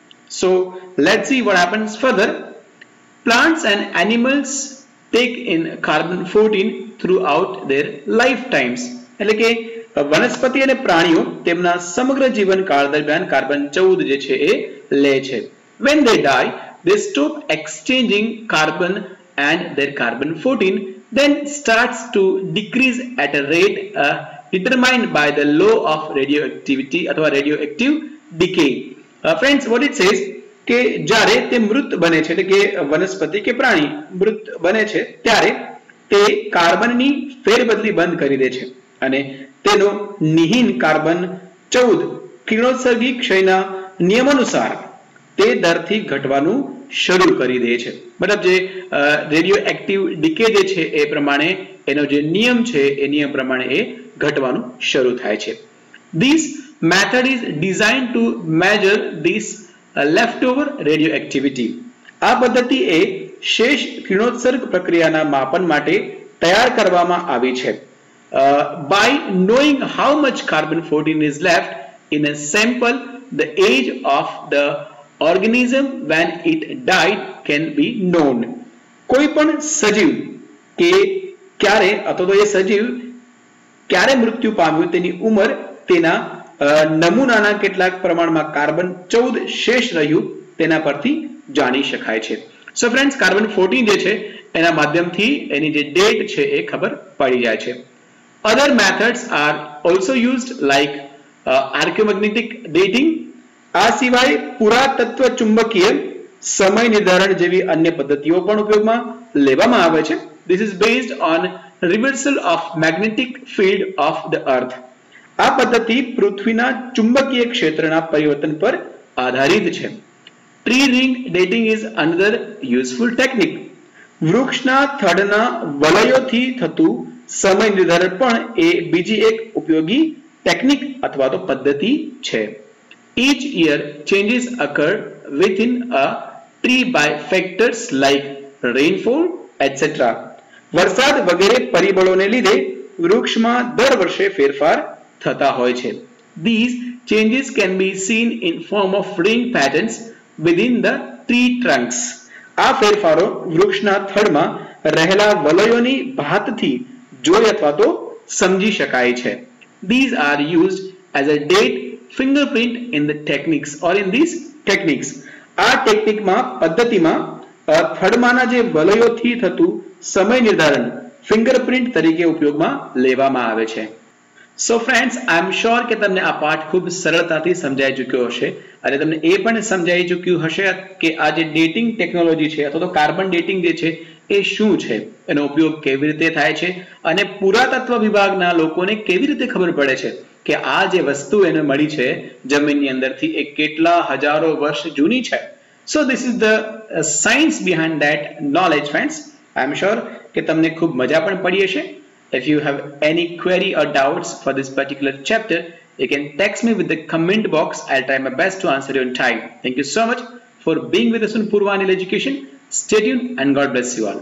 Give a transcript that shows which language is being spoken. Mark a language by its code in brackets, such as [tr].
[en] So let see what happens further. Plants and animals take in carbon 14 throughout their life times, [gu] એટલે કે વનસ્પતિ અને પ્રાણીઓ તેમના સમગ્ર જીવનકાળ દરમિયાન કાર્બન 14 જે છે એ લે છે. [en] When they die they stop exchanging carbon and their carbon 14 then starts to decrease at a rate determined by the law of radioactivity અથવા radioactive decay. [gu] Friends, [en] what it says [gu] કે જ્યારે તે મૃત બને છે, એટલે કે વનસ્પતિ કે પ્રાણી મૃત બને છે, ત્યારે તે કાર્બનની ફેરબદલી બંધ કરી દે છે અને તેનો નિહીન કાર્બન 14 કિરણોત્સર્ગી ક્ષયના નિયમ અનુસાર તે દરથી ઘટવાનું શરૂ કરી દે છે. મતલબ જે રેડિયો એક્ટિવ ડીકે જે છે એ પ્રમાણે એનો જે નિયમ છે એ નિયમ પ્રમાણે એ ઘટવાનું શરૂ થાય છે. [en] This method is design to measure this left over radioactivity. [gu] આ પદ્ધતિ એ શેષ કિરણોત્સર્ગ પ્રક્રિયાના માપન માટે તૈયાર કરવામાં આવી છે. [en] By knowing how much carbon 14 is left in a sample, the age of the organism when it died can be known. [gu] કોઈ પણ સજીવ કે ક્યારે અથવા તો એ સજીવ ક્યારે મૃત્યુ પામ્યું તેની ઉંમર તેના નમૂનાના કેટલાક પ્રમાણમાં કાર્બન 14 શેષ રહ્યું તેના પરથી જાણી શકાય છે. સો ફ્રેન્ડ્સ, કાર્બન 14 જે છે એના માધ્યમથી એની જે ડેટ છે એ ખબર પડી જાય છે. [en] Other methods are also used like archaeomagnetic dating. [gu] આ સિવાય પુરાતત્વ ચુંબકીય સમય નિર્ધારણ જેવી અન્ય પદ્ધતિઓ પણ ઉપયોગમાં લેવામાં આવે છે. [en] This is based on reversal of magnetic field of the earth. [gu] આ પદ્ધતિ પૃથ્વીના ચુંબકીય ક્ષેત્રના પરિવર્તન પર આધારિત છે. [en] Tree ring dating is another useful technique. [gu] વૃક્ષના થડના વલયોથી થતું સમય નિર્ધારણ પણ એ બીજી એક ઉપયોગી ટેકનિક અથવા તો પદ્ધતિ છે. [en] Each year changes occur within a tree by factors like rainfall etcetera. [gu] વરસાદ વગેરે પરિબળોને લીધે વૃક્ષમાં દર વર્ષે ફેરફાર થતા હોય છે. [en] These changes can be seen in form of ring patterns within the tree trunks. [gu] આ ફેરફારો વૃક્ષના થડમાં રહેલા વલયોની ભાતથી જોઈ અથવા તો સમજી શકાય છે. [en] These are used as a date fingerprint in the techniques or in these techniques. [gu] આ ટેકનિકમાં પદ્ધતિમાં થડમાના જે વલયોથી થતું સમય નિર્ધારણ ફિંગરપ્રિન્ટ તરીકે ઉપયોગમાં લેવામાં આવે છે. So friends, [en] I am sure [gu] કે તમને આ પાઠ ખૂબ સરળતાથી સમજાઈ ચૂક્યો હશે અને તમને એ પણ સમજાઈ ચૂક્યું હશે કે આ જે ડેટિંગ ટેકનોલોજી છે અથવા તો કાર્બન ડેટિંગ જે છે એ શું છે, એનો ઉપયોગ કેવી રીતે થાય છે અને પુરાતત્વ વિભાગના લોકોને કેવી રીતે ખબર પડે છે કે આ જે વસ્તુ એને મળી છે જમીનની અંદરથી એ કેટલા હજારો વર્ષ જૂની છે. [en] So this is the science behind that knowledge. Friends, I am sure [gu] કે તમને ખૂબ મજા પણ પડી હશે. [en] If you have any query or doubts for this particular chapter, you can text me with the comment box. I'll try my best to answer you in time. Thank you so much for being with us on Purvanil Education. Stay tuned and God bless you all.